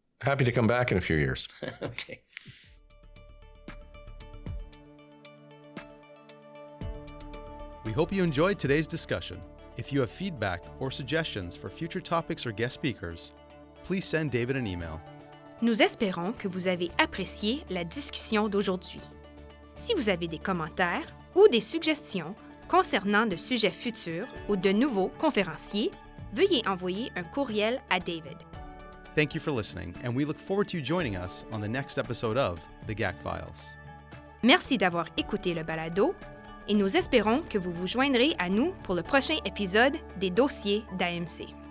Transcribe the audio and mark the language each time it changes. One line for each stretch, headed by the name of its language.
English: Happy to come back in a few years. Okay. We hope you enjoyed today's discussion. If you have feedback or suggestions for future topics or guest speakers, please send David an email.
French: Nous espérons que vous avez apprécié la discussion d'aujourd'hui. Si vous avez des commentaires ou des suggestions concernant de sujets futurs ou de nouveaux conférenciers, veuillez envoyer un courriel à David.
English: Thank you for listening, and we look forward to you joining us on the next episode of The GAC Files.
French: Merci d'avoir écouté le balado, et nous espérons que vous vous joindrez à nous pour le prochain épisode des dossiers d'AMC.